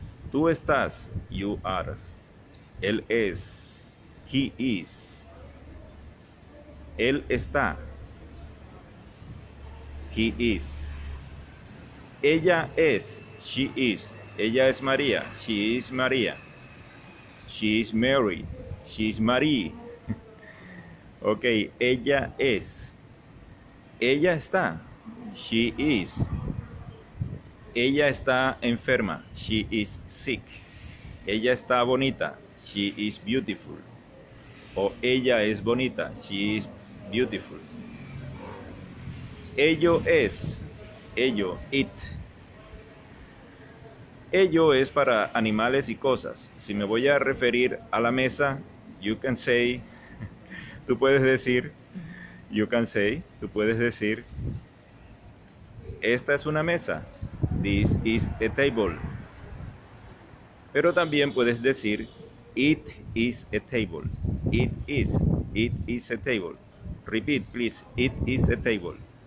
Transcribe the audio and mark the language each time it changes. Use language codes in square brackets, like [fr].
[es] Tú estás, [en] you are. [es] Él es, [en] he is. [es] Él está, [en] he is. [es] Ella es, [en] she is. [es] Ella es María, [en] she is María. She is Mary, she is Marie. Ok, [es] ella es, Ella está. [en] She is. [es] Ella está enferma. [en] She is sick. [es] Ella está bonita. [en] She is beautiful. [es] O ella es bonita. [en] She is beautiful. [es] Ello es. Ello, it. Ello es para animales y cosas. Si me voy a referir a la mesa, [en] you can say, [es] tú puedes decir, you can say, tú puedes decir, esta es una mesa, [en] this is a table. [es] Pero también puedes decir, [en] it is a table, it is a table. Repeat, please, it is a table.